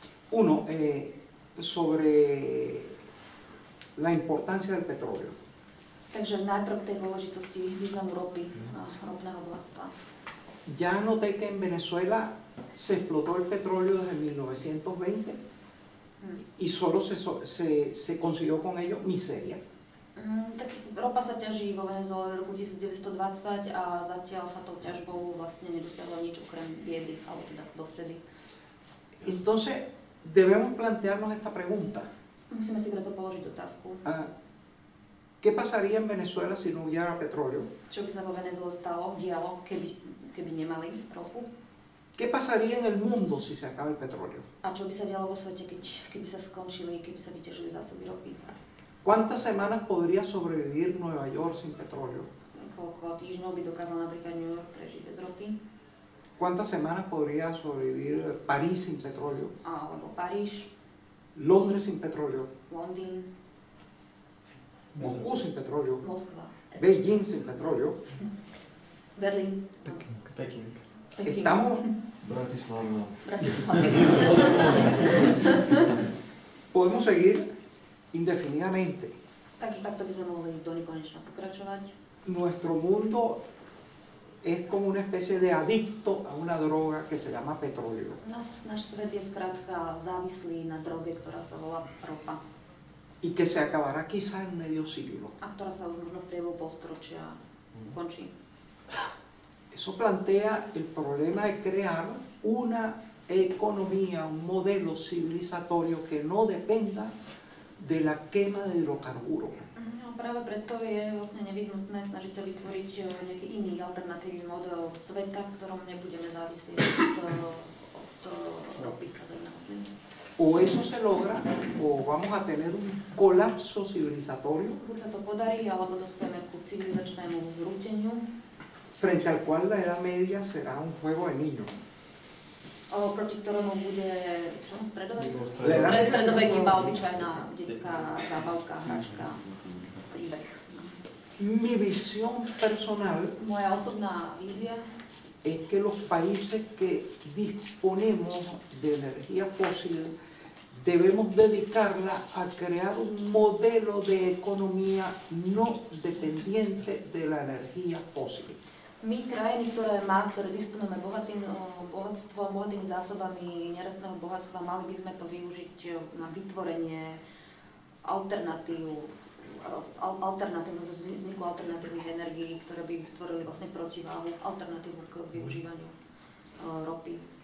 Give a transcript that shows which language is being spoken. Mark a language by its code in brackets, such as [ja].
[es] Uno, sobre la importancia del petróleo. [sk] Takže najprv tej dôležitosti významu ropy a ropného bohatstva. [es] Ya noté que en Venezuela se explotó el petróleo desde 1920 y solo se consiguió con ello miseria. [sk] Tak ropa sa ťaží vo Venezuele od roku 1920 a zatiaľ sa tou ťažbou vlastne nedosiahlo nič okrem biedy, alebo teda dovtedy. [es] Entonces, debemos plantearnos esta pregunta. [sk] Musíme si preto položiť otázku. [es] ¿Qué pasaría en Venezuela si no hubiera petróleo? [sk] Čo by sa vo Venezuele stalo, dialo, keby nemali ropu? [es] ¿Qué pasaría en el mundo si se acaba el petróleo? [sk] A čo by sa dialo vo svete, keby sa skončili, keby sa vytiežili zásoby ropy? [es] ¿Cuántas semanas podría sobrevivir Nueva York sin petróleo? [sk] Koľko týždňov by dokázal napríklad New York prežiť bez ropy? [es] ¿Cuántas semanas podría sobrevivir París sin petróleo? [sk] Alebo Paríž. [es] Londres sin petróleo. [sk] Londýn. [es] Moscú sin petróleo. [sk] Moskva. [es] Beijing sin petróleo. [sk] Berlín. Peking. [es] Estamos... [sk] Bratislava. [es] Podemos seguir indefinidamente. [sk] Takto by sme mohli do nekonečna pokračovať. [es] Nuestro mundo es como una especie de adicto a una droga que se llama petróleo. [sk] Náš svet je skrátka závislý na droge, ktorá sa volá ropa. [es] Y que se acabará quizá en medio siglo. [sk] A ktorá sa už možno v priebehu polstoročia končí. [es] Eso plantea el problema de crear una economía, un modelo civilizatorio que no dependa de la quema de hidrocarburos. [sk] No, práve preto je vlastne nevyhnutné snažiť sa vytvoriť nejaký iný alternatívny model sveta, v ktorom nebudeme závisieť od ropy a zemného plynu. [es] O eso se logra, o vamos a tener un colapso civilizatorio. [sk] Buď sa to podarí, alebo dospieme ku civilizačnému zrúteniu. [es] Frente al cual la Edad Media será un juego de niños. [sk] O proti ktorému bude, čo? Stredovek iba obyčajná detská zábavka, hračka, príbeh. [es] Mi visión personal. [sk] Moja osobná vízia. [es] Es que los países que disponemos de energía fósil debemos dedicarla a crear un modelo de economía no dependiente de la energía fósil. [sk] My krajiny, ktoré disponujeme bohatými zásobami nerastného bohatstva, mali by sme to využiť na vytvorenie vzniku alternatívnych energií, ktoré by vytvorili vlastne protiváhu, alternatívu k využívaniu ropy.